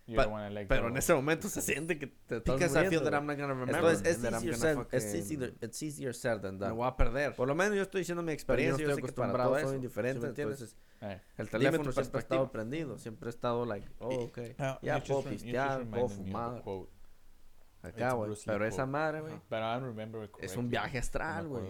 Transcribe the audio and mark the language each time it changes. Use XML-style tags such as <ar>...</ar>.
<es>Pero en ese momento se siente que te estás muriendo.</es> <en>Because I feel that I'm not gonna remember. It's easier said than done.</en> <es>Me voy a perder. Por lo menos yo estoy diciendo mi experiencia. Yo estoy acostumbrado a eso. Soy indiferente, entiendes? El teléfono siempre ha estado prendido. Siempre ha estado like, oh, ok. Ya puedo pistear, puedo fumar. Acá, güey. Pero esa madre, güey. Es un viaje astral, güey.</es>